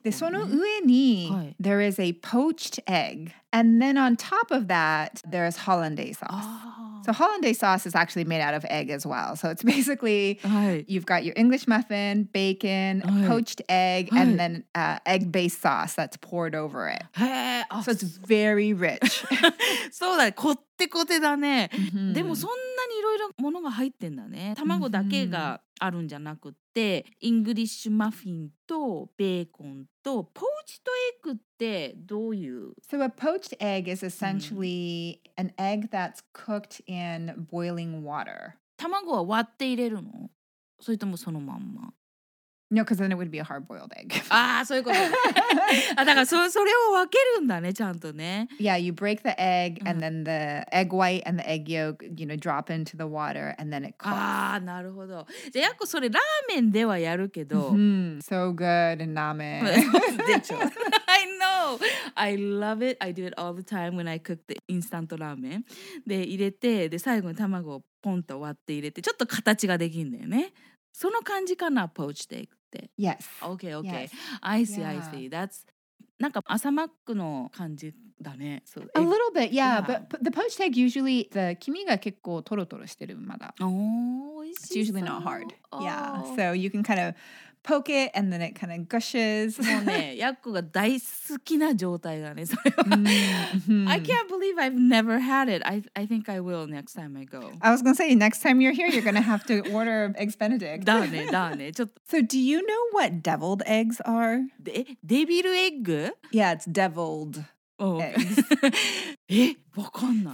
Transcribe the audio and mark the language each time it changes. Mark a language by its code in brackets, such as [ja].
[ja] で、その上に、はい、 [en] there is a poached egg. And then on top of that, there is hollandaise sauce. Ah. So hollandaise sauce is actually made out of egg as well. So it's basically, [ja] はい、 [en] you've got your English muffin, bacon, はい、poached egg, はい、and then egg-based sauce that's poured over it. へえ、あ、so it's very rich. [ja] そうだね、こってこてだね。 Mm-hmm. でもそんなにいろいろものが入ってんだね。卵だけがあるんじゃなくって、イングリッシュマフィンとベーコンとポーチドエッグってどういう？ [en] So a poached egg is essentially an egg that's cooked in boiling water. [ja] 卵は割って入れるの？それともそのまんま？ [en] No, because then it would be a hard-boiled egg. [ja] ああ、そういうこと。あ、だからそれを分けるんだね、ちゃんとね。 [en] Yeah, you break the egg and then the egg white and the egg yolk, you know, drop into the water and then it cooks. [ja] ああ、なるほど。じゃあ、やっこそれラーメンではやるけど。 [en] Mm-hmm. So good in ramen. [ja] でしょ。 [en] I know. I love it. I do it all the time when I cook the instant ramen. [ja] で、入れて、で、最後に卵をポンと割って入れて、ちょっと形ができるんだよね。その感じかな、ポーチドエッグって。 [en] Yes. Okay, okay. Yes. I see, I see. That's, [ja] なんか朝マックの感じだね。 [en] So, A little bit, yeah. But the poached egg usually, the [ja] 黄身が結構トロトロしてるまだ。おー、美味しい。 [en] It's usually not hard. Yeah. So you can kind of poke it and then it kind of gushes. [ja] もうね、ヤッコが大好きな状態だね、それは。 [en] I can't believe I've never had it. I think I will next time I go. I was going to say, next time you're here, you're going to have to order Eggs Benedict. [ja] だね、だね。ちょっと。 [en] So do you know what deviled eggs are? [ja] デビルエッグ? [en] Yeah, it's deviled. Oh, okay. [ja] え、わかんない。